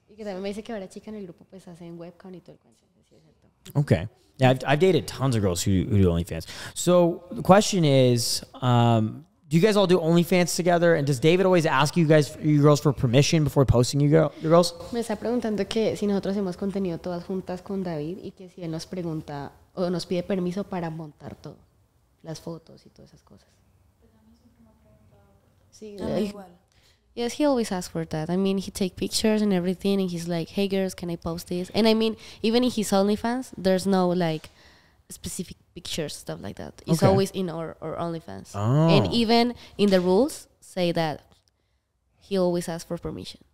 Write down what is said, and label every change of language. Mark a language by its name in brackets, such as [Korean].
[Spanish] Y que también me dice que varias chicas en el grupo pues hacen webcam y todo el cuento. [English] Okay. Yeah, I've dated tons of girls who do OnlyFans. So the question is, do you guys all do OnlyFans together? And does David always ask you guys, you girls, for permission before posting your girls? [Spanish] Me está preguntando que si nosotros hemos contenido todas juntas con David y que si él nos pregunta o nos pide permiso para montar todo, las fotos y todas esas cosas. Sí, igual. [English] Yes, he always asks for that. I mean, he takes pictures and everything, and he's like, hey, girls, can I post this? And I mean, even in his OnlyFans, there's no, like, specific pictures, stuff like that. It's okay. Always in our OnlyFans. Oh. And even in the rules, say that he always asks for permission.